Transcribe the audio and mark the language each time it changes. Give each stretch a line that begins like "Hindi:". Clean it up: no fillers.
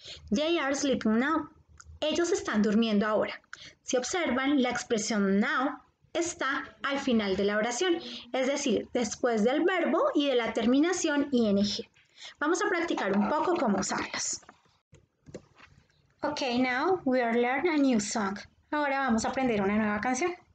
English: They are sleeping now.
Spanish: Ellos están durmiendo ahora. Si observan, la expresión now está al final de la oración, es decir, después del verbo y de la terminación ing. Vamos a practicar un poco cómo usarlas.
English: Ok, now we are learning a new song.
Spanish: Ahora vamos a aprender una nueva canción.